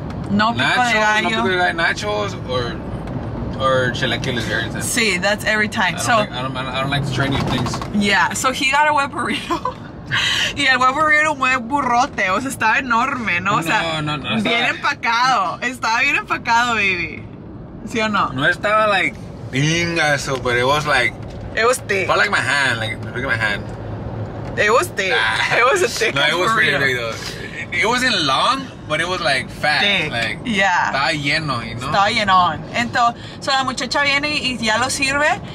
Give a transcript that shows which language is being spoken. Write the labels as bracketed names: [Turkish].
[Spanish] no pico de gallo. [English] Nachos, or chilaquiles, or anything. See, sí, that's every time. I so, I don't like to try new things. Yeah, so he got a wet burrito. [Spanish] Y el huevo era un huevo burrote, o sea, estaba enorme, ¿no? O sea, no, bien empacado. Estaba bien empacado, baby. ¿Sí o no? No estaba like dingazo, [English] but it was like. It was thick. Felt like my hand. Like, look at my hand. It was thick. Nah. It was a thick no, it was burrito. Thick, though. It wasn't long, but it was like fat. Thick. Like, yeah. [Spanish] Estaba lleno, [English] you know? [Spanish] Estaba lleno. Entonces, la muchacha viene y ya lo sirve.